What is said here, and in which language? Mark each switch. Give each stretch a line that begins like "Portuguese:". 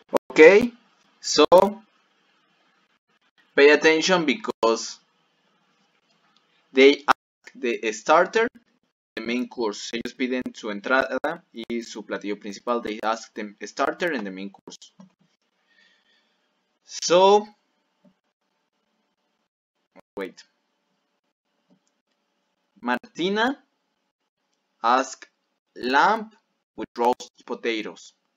English: Okay, so pay attention because they ask the starter, the main course.
Spanish: Ellos piden su entrada y su platillo principal.
English: They ask the starter and the main course. So, wait. Martina asks lamb with roast potatoes.